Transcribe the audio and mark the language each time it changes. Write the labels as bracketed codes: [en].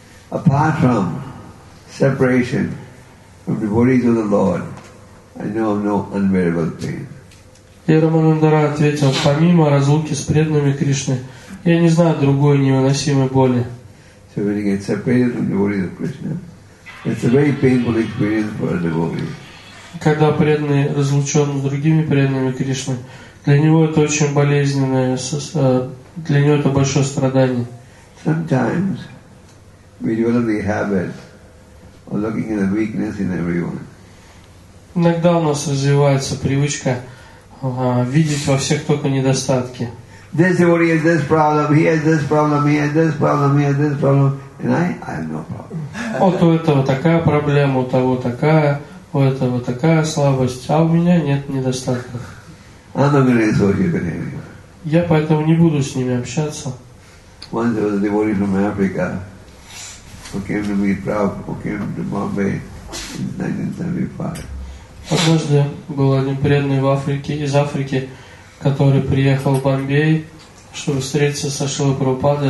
[en] Apart from separation from devotees of the Lord, I know of no unbearable pain. [ru] И Рамананда Рой ответил, помимо разлуки с преданными Кришны, я не знаю другой невыносимой боли. [en] So when you get separated from devotees of Krishna, it's a very painful experience for a devotee. [ru] Когда преданный разлучен с другими преданными Кришны, для него это очень болезненное, для него это большое страдание. [en] Sometimes we develop the habit of looking at the weakness in everyone. [ru] Иногда у нас развивается привычка видеть во всех только недостатки. [en] This is what he has this problem, he has this problem, he has this problem, he has this problem, and I have no problem. [ru] Вот у этого такая проблема, у того такая, у этого такая слабость, а у меня нет недостатков. [en] I'm not going to associate with him. [ru] Я поэтому не буду с ними общаться. [en] Once there was a devotee from Africa who came to meet Prabhupada, who came to Bombay in 1975. [ru] Однажды был один преданный в Африке, из Африки, который приехал в Бомбей, чтобы встретиться со Шрилой Прабхупадой.